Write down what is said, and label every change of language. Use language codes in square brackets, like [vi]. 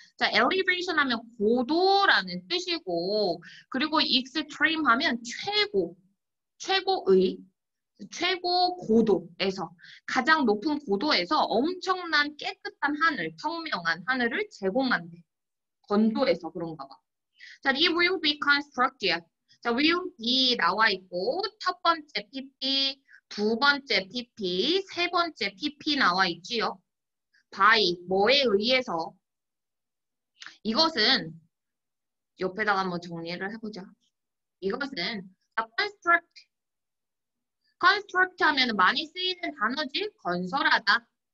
[ko] 자, elevation 하면 고도라는 뜻이고, 그리고 extreme 하면 최고, 최고의, 최고 고도에서, 가장 높은 고도에서 엄청난 깨끗한 하늘, 청명한 하늘을 제공한대. 건도에서 그런가 봐. [en] 자, it will be constructed. [ko] 자, will be 나와 있고, 첫 번째 PP, 두 번째 PP, 세 번째 PP 나와 있지요. By, 뭐에 의해서. 이것은, 옆에다가 한번 정리를 해보자. 이것은, construct. construct 하면 많이 쓰이는 단어지, 건설하다.